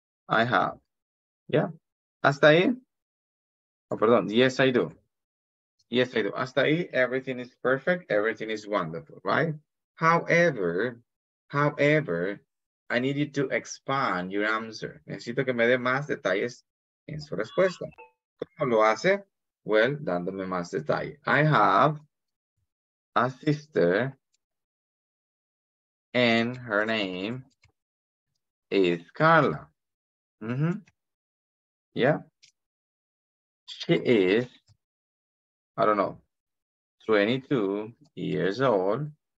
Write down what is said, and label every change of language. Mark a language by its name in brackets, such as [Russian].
[English] I have. Yeah. [Spanish] Hasta ahí, oh, perdón, [English] yes, I do. Yes, I do. [Spanish] Hasta ahí, [English] everything is perfect. Everything is wonderful, right? However, I need you to expand your answer. [Spanish] Necesito que me dé más detalles en su respuesta. ¿Cómo lo hace? Well, dándome más detalle. [English] I have a sister and her name is Carla. Mm-hmm. Yeah, she is, I don't know, 22 years old.